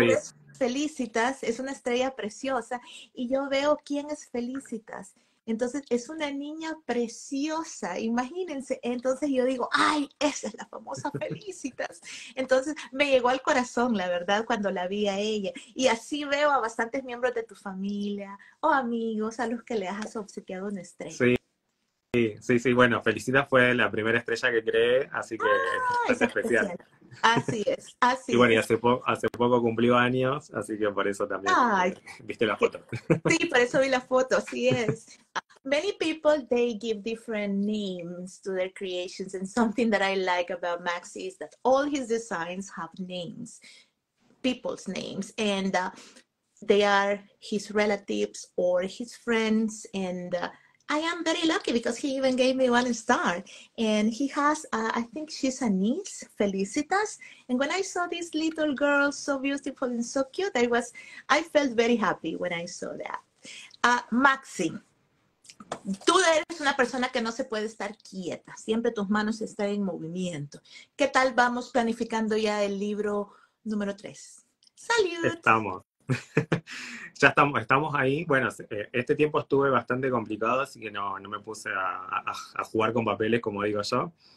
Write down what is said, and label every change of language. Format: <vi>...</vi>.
<es>ves Felicitas es una estrella preciosa y yo veo quién es Felicitas, entonces es una niña preciosa, imagínense, entonces yo digo, ay, esa es la famosa Felicitas, entonces me llegó al corazón, la verdad, cuando la vi a ella, y así veo a bastantes miembros de tu familia o amigos a los que le has obsequiado una estrella. Sí, bueno, Felicitas fue la primera estrella que creé, así que es bastante especial. especial, así es, Y así bueno, y es. hace poco cumplió años, así que por eso también Ay, viste la foto. sí, por eso vi la foto, así es.</es> <en>Many people, they give different names to their creations, and something that I like about Maxi is that all his designs have names, people's names, and they are his relatives or his friends, and I am very lucky because he even gave me one star. And he has, I think she's a niece, Felicitas. And when I saw this little girl, so beautiful and so cute, I felt very happy when I saw that. Maxi,</en> <es>tú eres una persona que no se puede estar quieta, siempre tus manos están en movimiento. ¿Qué tal vamos planificando ya el libro número 3? ¡Salud! Estamos. Ya estamos, estamos ahí. Bueno, este tiempo estuve bastante complicado, así que no me puse a jugar con papeles, como digo yo.</es>